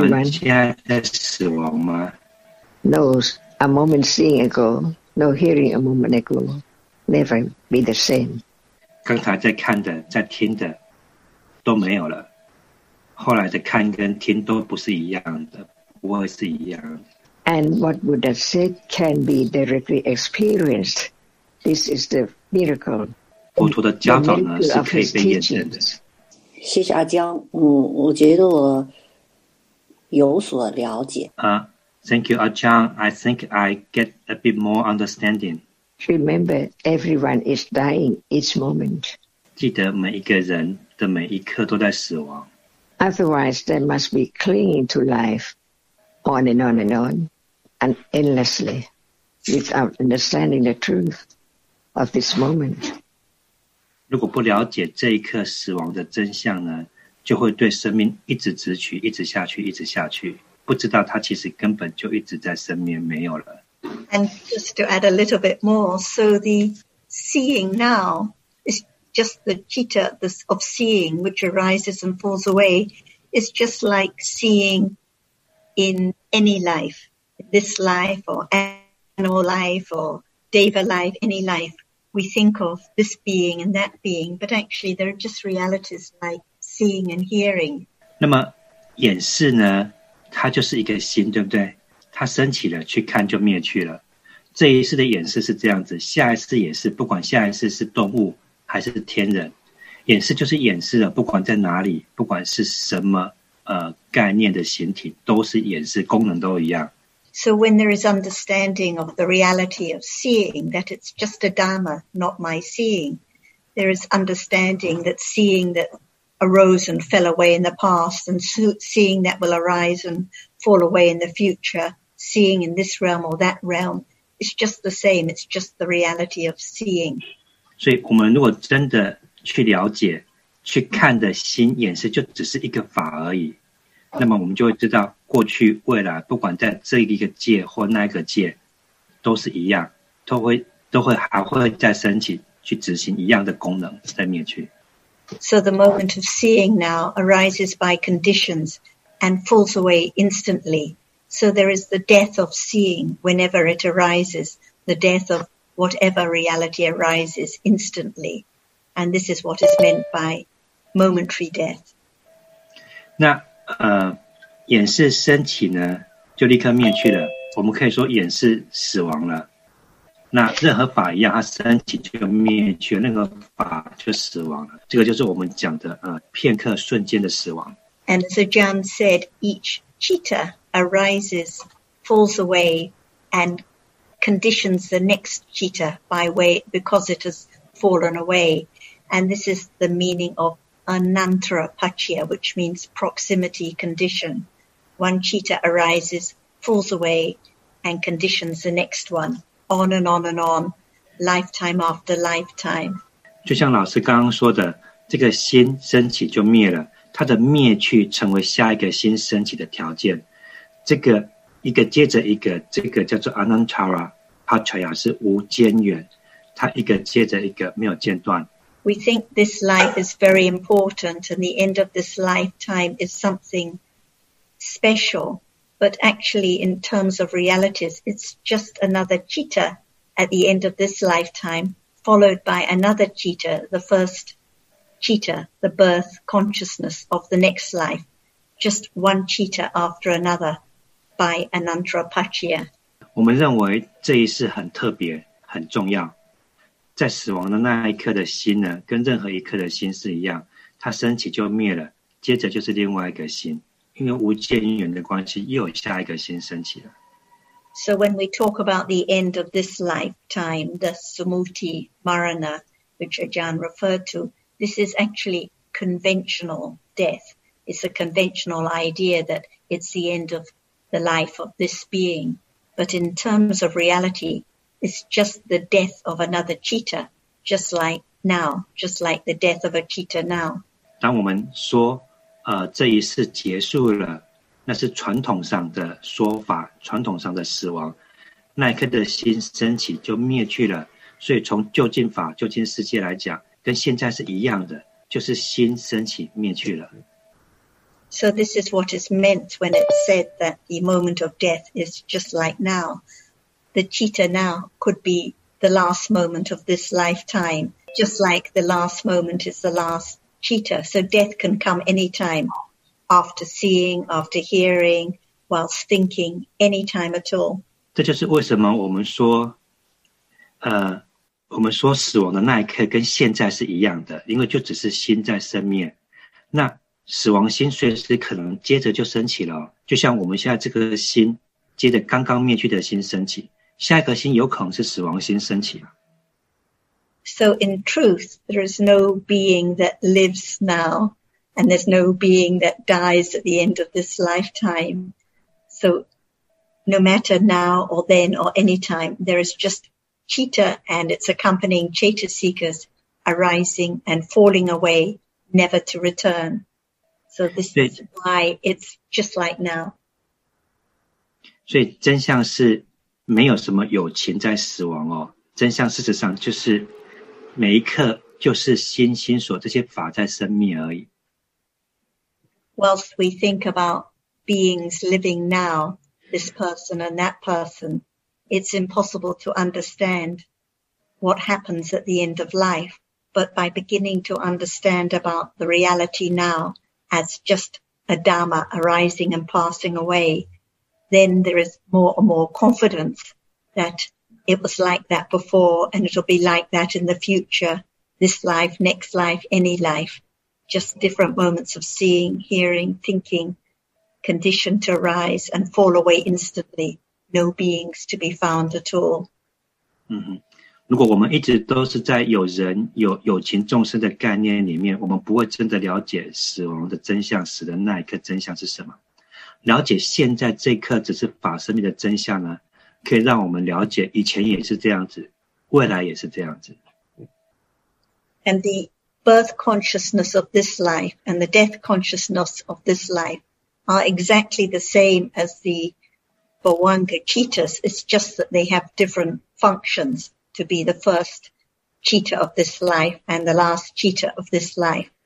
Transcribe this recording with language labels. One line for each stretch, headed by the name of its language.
Chinese: 我们现在在死亡吗？
English: No, a moment seeing ago, no hearing a moment ago, never be the same.
Chinese: 刚才在看的，在听的，都没有了。后来的看跟听都不是一样的，不会是一样的。
English: And what Buddha said can be directly experienced. This is the miracle.
Chinese: 佛陀的教导呢是可以被验证的。谢谢阿江，我觉得我有所了解。
English: Thank you, Ajahn. I think I get a bit more understanding. Remember, everyone is dying each moment.
Chinese: 记得每一个人的每一刻都在死亡。
English: Otherwise, they must be clinging to life on and on and on and endlessly without understanding the truth of this moment.
Chinese: 如果不了解这一刻死亡的真相呢，就会对生命一直执取，一直下去，一直下去。不知道他其实根本就一直在身边没有了。
English: And just to add a little bit more, so the seeing now is just the citta of seeing which arises and falls away. It's just like seeing in any life, this life or animal life or deva life, any life. We think of this being and that being, but actually there are just realities like seeing and hearing.
Chinese: 那么眼识呢？它就是一个心，对不对？它升起了，去看就灭去了。这一世的眼识是这样子，下一世也是，不管下一世是动物还是天人，眼识就是眼识了，不管在哪里，不管是什么概念的形体，都是眼识，功能都一样。
English: So when there is understanding of the reality of seeing, that it's just a dharma, not my seeing, there is understanding that seeing that arose and fell away in the past, and seeing that will arise and fall away in the future, seeing in this realm or that realm, it's just the same, it's just the reality of seeing.
Chinese: 所以我们如果真的去了解，去看的心眼识就只是一个法而已，那么我们就会知道过去未来不管在这一个界或那个界都是一样，都会还会再升起去执行一样的功能再灭去。
English: So the moment of seeing now arises by conditions and falls away instantly. So there is the death of seeing whenever it arises, the death of whatever reality arises instantly. And this is what is meant by momentary death.
Chinese: 那眼识升起呢就立刻灭去了，我们可以说眼识死亡了。那任何法一样，它升起就灭去了，那个法就死亡了。这个就是我们讲的片刻瞬间的死亡。
English: And as Ajahn said, each citta arises, falls away, and conditions the next citta by way because it has fallen away. And this is the meaning of anantara paccaya, which means proximity condition. One citta arises, falls away, and conditions the next one, on and on and on, lifetime after lifetime.
Chinese: 就像老师刚刚说的，这个心升起就灭了，它的灭去成为下一个心升起的条件。这个一个接着一个，这个叫做 anantara paccaya 是无间缘，它一个接着一个，没有间断。
English: We think this life is very important and the end of this lifetime is something special, but actually in terms of realities, it's just another citta at the end of this lifetime, followed by another citta, the first citta, the birth consciousness of the next life, just one citta after another by anantara paccaya.
Chinese: 我们认为这一世很特别，很重要。在死亡的那一刻的心呢，跟任何一刻的心是一样，它升起就灭了，接着就是另外一个心，因为无间缘的关系，又有下一个心升起了。
English: So when we talk about the end of this lifetime, the samuti marana, which Ajahn referred to, this is actually conventional death. It's a conventional idea that it's the end of the life of this being. But in terms of reality,It's just the death of another cheetah, just like now, just like the death of a cheetah now.
Chinese: 当我们说这一世结束了，那是传统上的说法，传统上的死亡，那一刻的心升起就灭去了。所以从究竟法、究竟世界来讲，跟现在是一样的，就是心升起灭去了。
English: So this is what is meant when it said that the moment of death is just like now. The citta now could be the last moment of this lifetime, just like the last moment is the last citta. So death can come any time, after seeing, after hearing, whilst thinking, any time at all.
Chinese: 这就是为什么我们说，我们说死亡的那一刻跟现在是一样的，因为就只是心在生灭，那死亡心随时可能接着就升起了，就像我们现在这个心接着刚刚灭去的心升起，下一个心有可能是死亡心升起了。
English: So in truth, there is no being that lives now, and there's no being that dies at the end of this lifetime. So no matter now or then or any time, there is just citta and its accompanying chetasikas arising and falling away, never to return. So this is why it's just like now.
Chinese: 所以真相是没有什么有情在死亡哦，真相事实上就是每一刻就是心心所这些法在生灭而已。
English: Whilst we think about beings living now, this person and that person, it's impossible to understand what happens at the end of life. But by beginning to understand about the reality now as just a Dharma arising and passing away, then there is more and more confidence that it was like that before and it'll be like that in the future, this life, next life, any life, just different moments of seeing, hearing, thinking, conditioned to arise and fall away instantly, no beings to be found at all.
Chinese: 如果我们一直都是在有人、有情众生的概念里面，我们不会真的了解死亡的真相，死的那一刻真相是什么。了解现在这一刻只是法生命的真相呢，可以让我们了解以前也是这样子，未来也是这样子。
English: And the birth consciousness of this life and the death consciousness of this life are exactly the same as the Bhavanga cheetahs. It's just that they have different functions to be the first cheetah of this life and the last cheetah of this life.